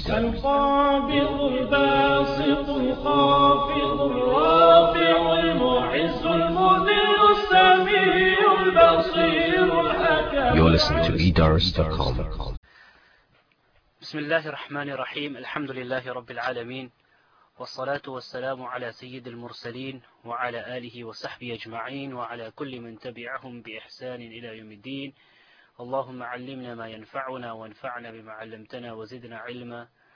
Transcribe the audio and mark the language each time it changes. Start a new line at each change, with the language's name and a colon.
Arabic: القابض الباسط الخافض الرافع المعز المذل السميع البصير الحكيم.
English: You're listening to Eder.com.
Arabic: بسم الله الرحمن الرحيم. الحمد لله رب العالمين، والصلاة والسلام على سيد المرسلين وعلى آله وصحبه أجمعين، وعلى كل من تبعهم بإحسان إلى يوم الدين. اللهم علمنا ما ينفعنا، وانفعنا بما علمتنا، وزدنا علما.